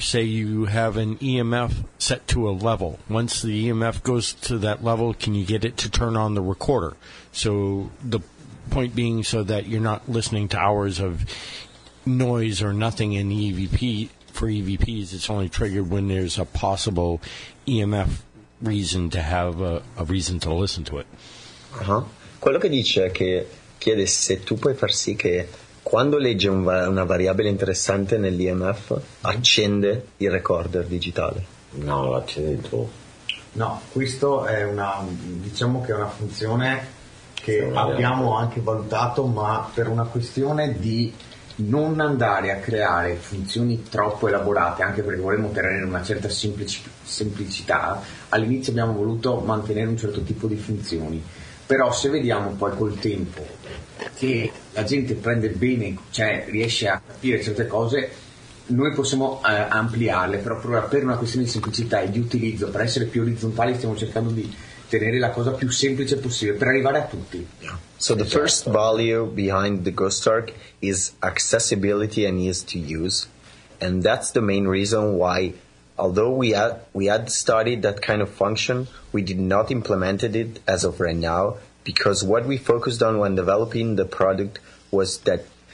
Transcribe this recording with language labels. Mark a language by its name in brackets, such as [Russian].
[English] Say you have an EMF set to a level. Once the EMF goes to that level, can you get it to turn on the recorder? So the point being so that you're not listening to hours of noise or nothing in EVP. For EVPs, it's only triggered when there's a possible EMF reason to have a reason to listen to it. Uh-huh. [Italian] Quello che dice che chiede se tu puoi far sì che quando legge una variabile interessante nell'IMF, accende il recorder digitale. No, l'accende tu. No, questo è una, diciamo che è una funzione che abbiamo anche valutato, ma per una questione di non andare a creare funzioni troppo elaborate, anche perché volevamo tenere una certa semplicità, all'inizio abbiamo voluto mantenere un certo tipo di funzioni. Però se vediamo poi col tempo che la gente prende bene, cioè riesce a capire certe cose, noi possiamo ampliarle, però proprio per una questione di semplicità e di utilizzo, per essere più orizzontali, stiamo cercando di tenere la cosa più semplice possibile per arrivare a tutti. [English] So the first value behind the Ghost Arc is accessibility and ease to use, and that's the main reason why, although we had studied that kind of function, we did not implement it as of right now, because what we focused on when developing the product was that